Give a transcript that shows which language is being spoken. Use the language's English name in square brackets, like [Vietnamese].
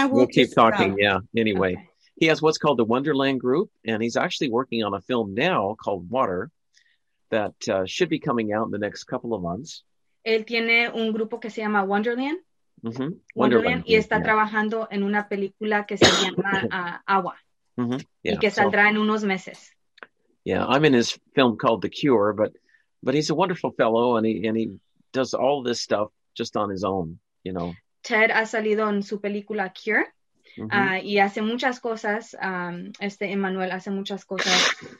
[English] We'll keep talking, yeah, anyway. Okay. He has what's called the Wonderland Group, and he's actually working on a film now called Water, that should be coming out in the next couple of months. [Spanish] Él tiene un grupo que se llama Wonderland. Mm-hmm. Wonderland. Y está trabajando en una película que se llama Agua. [English] Mm-hmm. Yeah. [Spanish] Y que saldrá en unos meses. [English] Yeah, I'm in his film called The Cure, but he's a wonderful fellow and he does all this stuff just on his own, you know. [Spanish] Ted ha salido en su película Cure. Mm-hmm. Y hace muchas cosas, Emmanuel hace muchas cosas.